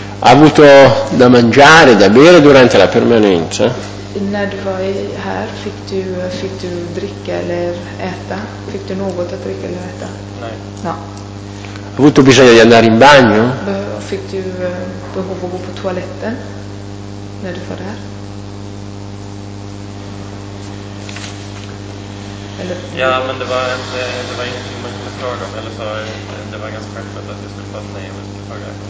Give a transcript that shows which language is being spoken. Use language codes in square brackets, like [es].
[it] Ha avuto da mangiare, da bere durante la permanenza? [sv] När du var här fick du dricka eller äta? Fick du något att dricka eller äta? Nej. [it] No. Ha avuto bisogno di andare in bagno? [sv] Fick du behov att gå på toaletten när du var där? Eller? Ja, men det var ingenting man kunde fråga om, eller så det var ganska självklart att jag skulle få ett nej om jag skulle fråga.